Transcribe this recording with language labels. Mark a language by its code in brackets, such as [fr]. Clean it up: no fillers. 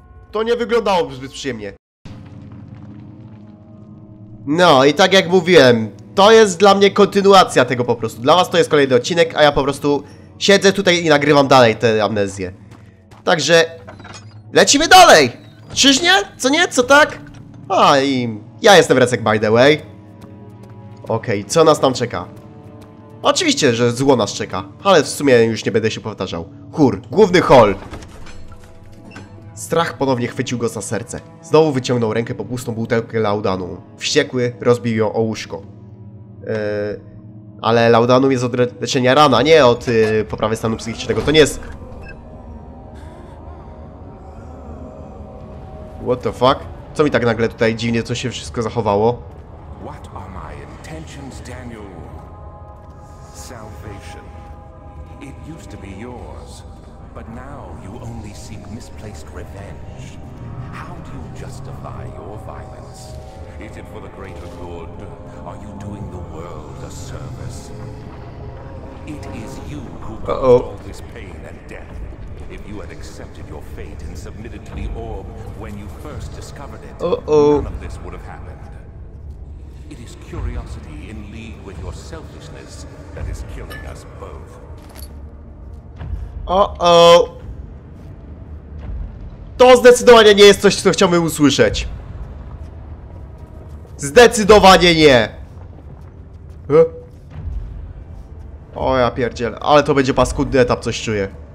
[pl] To nie wyglądało zbyt przyjemnie. No i tak jak mówiłem, to jest dla mnie kontynuacja tego po prostu. Dla was to jest kolejny odcinek, a ja po prostu siedzę tutaj i nagrywam dalej tę amnezję. Także lecimy dalej! Czyż nie? Co nie? Co tak? A i ja jestem Recek, [en] by the way. [pl] Okej, okay, co nas tam czeka? Oczywiście, że zło nas czeka, ale w sumie już nie będę się powtarzał. Chór, główny hol. Strach ponownie chwycił go za serce. Znowu wyciągnął rękę po pustą butelkę Laudanum. Wściekły, rozbił ją o łóżko. Ale Laudanum jest od leczenia rana, nie od poprawy stanu psychicznego. To nie jest... [en] What the fuck? [pl] Co mi tak nagle tutaj dziwnie, co się wszystko zachowało? [en] What are my intentions, Daniel? Salvation. It used to be yours, but now you only seek misplaced revenge. How do you justify your violence? Is it for the greater good? Are you doing the world a service? It is you who caused all this pain and death. If you had accepted your fate and submitted to the orb when you first discovered it, none of this would have happened. It is curiosity in league with your selfishness that is killing us both. [pl] To zdecydowanie nie jest coś, co chciałbym usłyszeć. Zdecydowanie nie. O ja pierdziel, ale to będzie paskudny etap, coś czuję.